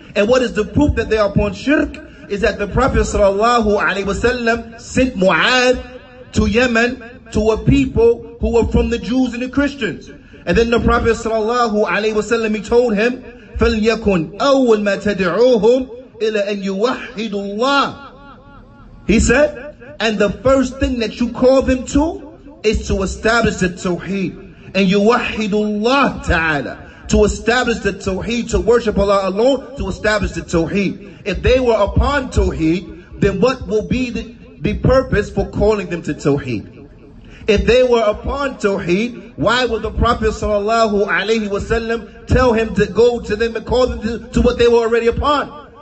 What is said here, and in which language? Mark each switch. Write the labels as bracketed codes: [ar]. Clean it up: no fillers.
[en] And what is the proof that they are upon shirk? Is that the Prophet sallallahu alaihi wasallam sent Mu'adh to Yemen to a people who were from the Jews and the Christians. And then the Prophet sallallahu alaihi wasallam, he told him, [ar] فَلْيَكُنْ أَوَّلْ مَا تَدْعُوهُمْ إِلَى أَنْ يُوَحِّدُ اللَّهِ. [en] He said, and the first thing that you call them to is to establish the Tawheed. [ar] And يُوَحِّدُ اللَّهِ تَعَالَى. [en] To establish the Tawheed, to worship Allah alone, to establish the Tawheed. If they were upon Tawheed, then what will be the purpose for calling them to Tawheed? If they were upon Tawheed, why would the Prophet sallallahu alayhi wasallam tell him to go to them and call them to what they were already upon?